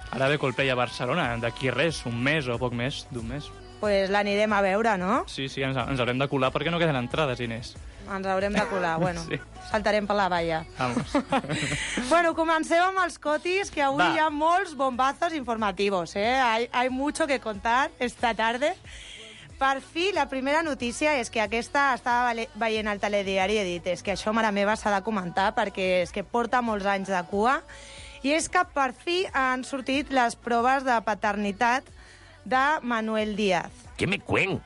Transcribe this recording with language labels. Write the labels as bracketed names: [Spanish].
[Catalan] Ara ve Coldplay a Barcelona, d'aquí res, un mes o poc més d'un mes. Pues l'anirem a veure, no? Sí, sí, ens haurem de colar perquè no queden entrades, Inés. Ens haurem de colar, bueno, sí. Saltarem per la valla. [Spanish] Vamos. [Catalan] Bueno, comencem amb els cotis, que avui hi ha molts bombazos informatius, eh? [Spanish] Hay mucho que contar esta tarde. [Catalan] Per fi, la primera notícia és que aquesta estava veient el telediari i he dit, és que això, mare meva, s'ha de comentar perquè és que porta molts anys de cua. I és que per fi han sortit les proves de paternitat de Manuel Díaz. Què me cuent?